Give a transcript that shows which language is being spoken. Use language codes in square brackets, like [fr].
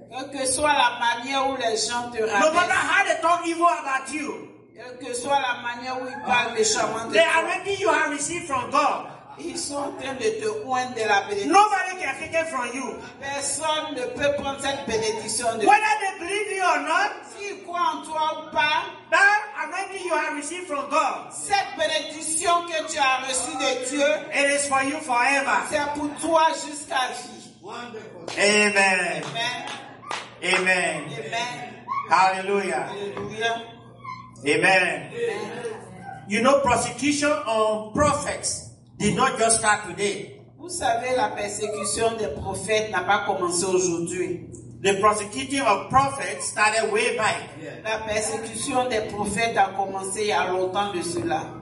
[fr] Que soit la manière où les gens te rabaissent. [en] No matter how they talk evil about you. [fr] Que soit la manière où ils parlent méchamment de toi. [en] They already you have received from God. [fr] Ils sont en train de te oindre de la bénédiction. [en] Nobody can take it from you. [fr] Personne ne peut prendre cette bénédiction de [en] whether they believe you or not. [fr] S'ils croient en toi ou pas. [en] That already you have received from God. [fr] Cette bénédiction que tu as reçue de Dieu. [en] It is for you forever. [fr] C'est pour toi jusqu'à vie. [en] Wonderful. Amen. Amen. Amen. Amen. Hallelujah. Hallelujah. Amen. Amen. You know, persecution on prophets did not just start today. [fr] Vous savez, la persécution des prophètes n'a pas commencé aujourd'hui. [en] The persecution of prophets started way back. Yeah. [fr] La persécution des prophètes a commencé il y a longtemps de cela.